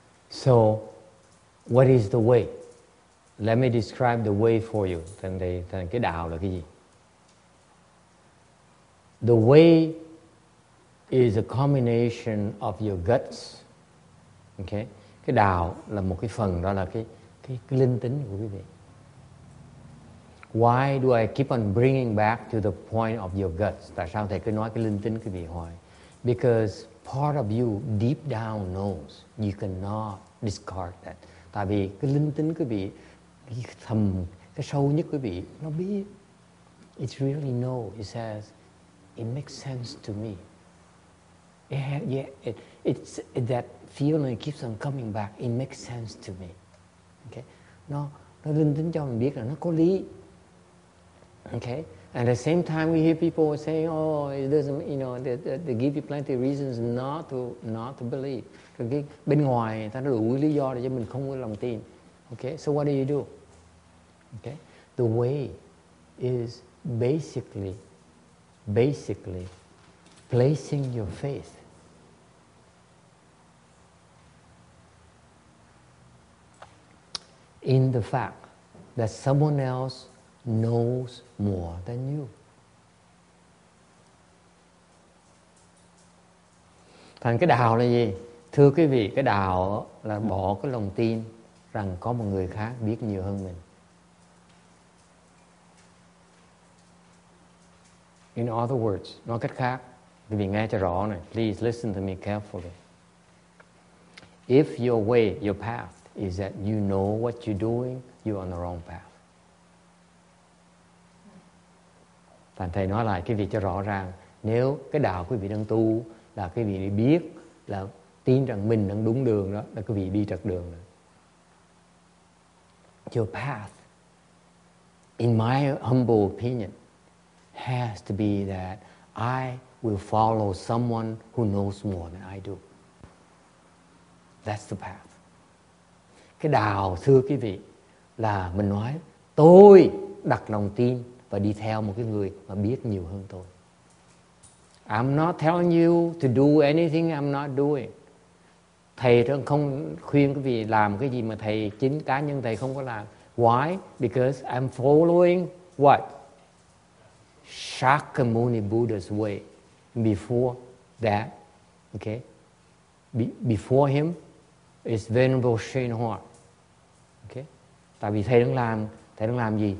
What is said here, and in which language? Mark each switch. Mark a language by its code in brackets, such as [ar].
[en] So, what is the way? Let me describe the way for you. [vi] Then cái đạo là cái gì? [en] The way is a combination of your guts. Okay? [vi] Cái đạo là một cái phần đó là cái linh tính của quý vị. [en] Why do I keep on bringing back to the point of your guts? [vi] Tại sao thầy cứ nói cái linh tính quý vị hỏi? [en] Because part of you deep down knows you cannot discard that. [vi] Tại vì cái linh tính quý vị, cái thầm, cái sâu nhất quý vị, nó biết. [en] It's really know. It says, it makes sense to me. That feeling keeps on coming back. It makes sense to me. [vi] Okay, nó linh tính cho mình biết là nó có lý. [en] Okay, and at the same time we hear people saying, oh, it doesn't, you know, they give you plenty of reasons not to believe. [vi] Cái bên ngoài ta đủ lý do để cho mình không có lòng tin. [en] Okay, so what do you do? Okay, the way is basically placing your faith. In the fact that someone else knows more than you. [vi] Thành cái đạo là gì? Thưa quý vị, cái đạo là bỏ cái lòng tin rằng có một người khác biết nhiều hơn mình. [en] In other words, [vi] nói cách khác, quý vị nghe cho rõ này. [en] Please listen to me carefully. If your way, your path, is that you know what you're doing, you're on the wrong path. [vi] Thành thầy nói lại cái việc cho rõ ràng, nếu cái đạo quý vị đang tu là cái vị biết là tin rằng mình đang đúng đường đó, là cái vị đi trật đường đó. [en] Your path, in my humble opinion, has to be that I will follow someone who knows more than I do. That's the path. [vi] Cái đạo, thưa quý vị, là mình nói tôi đặt lòng tin và đi theo một cái người mà biết nhiều hơn tôi. [en] I'm not telling you to do anything I'm not doing. [vi] Thầy không khuyên quý vị làm cái gì mà thầy, chính cá nhân thầy không có làm. [en] Why? Because I'm following what? Shakyamuni Buddha's way before that. Okay? Before him is Venerable Shenhua. [vi] Tại vì thầy đang làm gì?